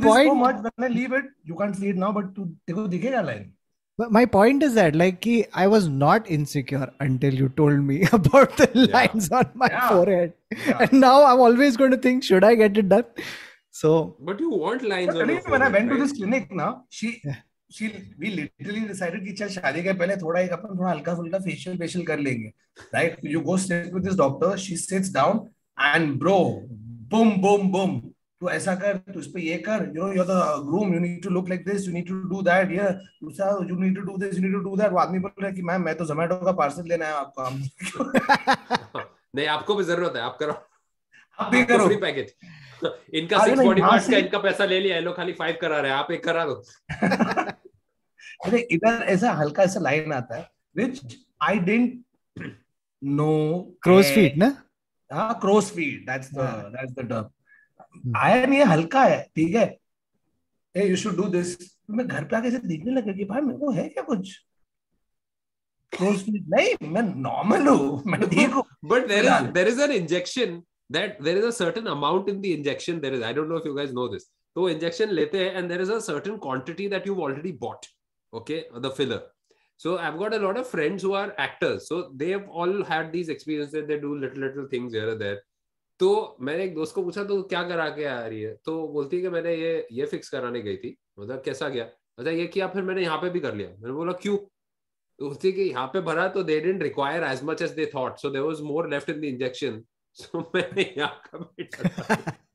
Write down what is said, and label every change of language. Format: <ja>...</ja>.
<en>I do this so much when I leave it. You can't see it now, but</en> <hi>dekho dikhega</hi> <en>line. But my point is that, like, ki, I was not insecure until you told me about the lines on my forehead. Yeah. And now I'm always going to think, should I get it done? So. But you want lines on your forehead. When I went to this clinic, now she. Yeah. We literally decided</en> <hi>कि चल शादी के पहले थोड़ा एक अपन थोड़ा हल्का फुल्का facial कर लेंगे,</hi> <en>right? You go sit with this doctor, she sits down and bro, boom boom boom,</en> <hi>तू ऐसा कर, तू इसपे ये कर,</hi> <en>you know you're the groom, you need to look like this, you need to do that, yeah,</en> <hi>दूसरा</hi> <en>you need to do this, you need to do that,</en> <hi>वो आदमी बोल रहा है कि मैम मैं तो Zomato का parcel लेना है आपको, नहीं आपको भी ज़रूरत है, आप करो, आप भी करो,</hi> <en>free package.</en> <hi>इनका 645 का इनका पैसा ले लिया है लो खाली 5 करा रहे हैं आप एक करा दो अरे इधर ऐसा हल्का ऐसा लाइन आता है</hi> <en>which I didn't know</en> <hi>cross feet ना हां cross feet</hi> <en>that's the term</en> <hi>ion ये हल्का है ठीक है</hi> <en>uh you should do this</en> <hi>मैं घर पे आके से देखने लगा कि भाई मेरे को है क्या कुछ क्रोस फीट नहीं मैं नॉर्मल हूं मैं देखो</hi> <en>But there is an injection that there is a certain amount in the injection there is. I don't know if you guys know this. So</en> <hi>injection lete hai</hi> <en>and there is a certain quantity that you've already bought. Okay, the filler. So I've got a lot of friends who are actors. So they have all had these experiences that they do little things here or there.</en> <hi>तो मैंने एक दोस्त को पूछा तो क्या करा के आ रही है तो बोलती है कि मैंने ये फिक्स कराने गई थी मतलब कैसा गया मतलब ये किया फिर मैंने यहाँ पे भी कर लिया मैंने बोला क्यों तो बोलती है कि यहाँ पे भरा तो</hi> <en>they didn't require as much as they thought so there was more left in the injection</en> <hi>सो मैंने यहाँ का बैठा</hi>